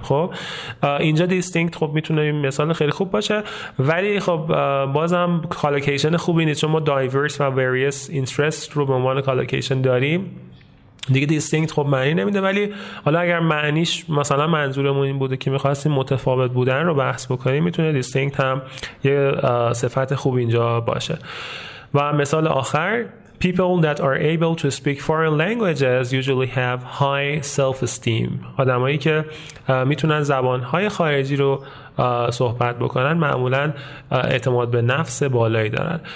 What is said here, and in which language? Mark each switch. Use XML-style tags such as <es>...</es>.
<fa>خب اینجا دیستینکت خب میتونه این مثال خیلی خوب باشه، ولی خب بازم کالوکیشن خوبی نیست چون ما دایورس و ویریس اینترست رو به عنوان کالوکیشن داریم دیگه. دیستینکت خب معنی نمیده، ولی حالا اگر معنیش مثلا منظورمون این بوده که میخواستیم متفاوت بودن رو بحث بکنیم، میتونه دیستینکت هم یه صفت خوب اینجا باشه. و مثال آخر،</fa> <en>people that are able to speak foreign languages usually have high self-esteem.</en> <fa>آدمایی که میتونن زبانهای خارجی رو صحبت بکنن معمولا اعتماد به نفس بالایی دارن.</fa>